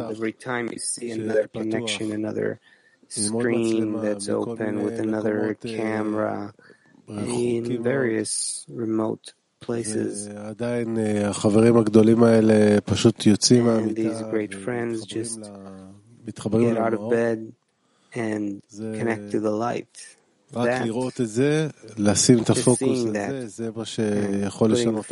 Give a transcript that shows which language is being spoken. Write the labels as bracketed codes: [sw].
[en] Every time you see another connection, another screen that's open with another camera, in various remote places. [he] עדיין החברים הגדולים האלה פשוט יוצאים מהמיטה. [en] And these great friends just get out of bed and connect to the light. [he] רק לראות את זה, לשים את הפוקוס על זה, זה מה שיכול לשנות את